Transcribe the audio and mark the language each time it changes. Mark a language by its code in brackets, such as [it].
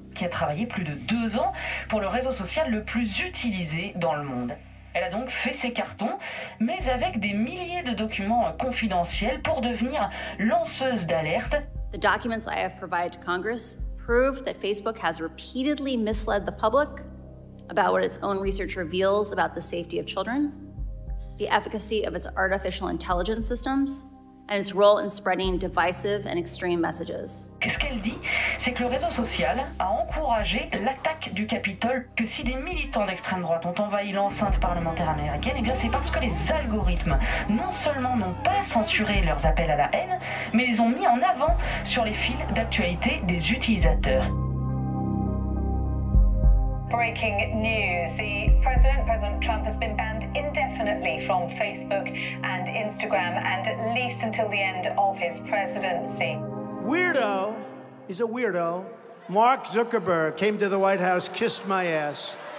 [fr] Qui a travaillé plus de deux ans pour le réseau social le plus utilisé dans le monde. Elle a donc fait ses cartons, mais avec des milliers de documents confidentiels pour devenir lanceuse d'alerte. [en] The documents I have provided to Congress prove that Facebook has repeatedly misled the public about what its own research reveals about the safety of children, the efficacy of its artificial intelligence systems, and its role in spreading divisive and extreme messages. [fr] Qu'est-ce qu'elle dit? C'est que le réseau social a encouragé l'attaque du Capitole, que si des militants d'extrême droite ont envahi l'enceinte parlementaire américaine, et bien c'est parce que les algorithmes non seulement n'ont pas censuré leurs appels à la haine, mais les ont mis en avant sur les fils d'actualité des utilisateurs. [en] Breaking news, the President Trump has been banned indefinitely from Facebook and Instagram, and at least until the end of his presidency. Weirdo, he's a weirdo. Mark Zuckerberg came to the White House, kissed my ass.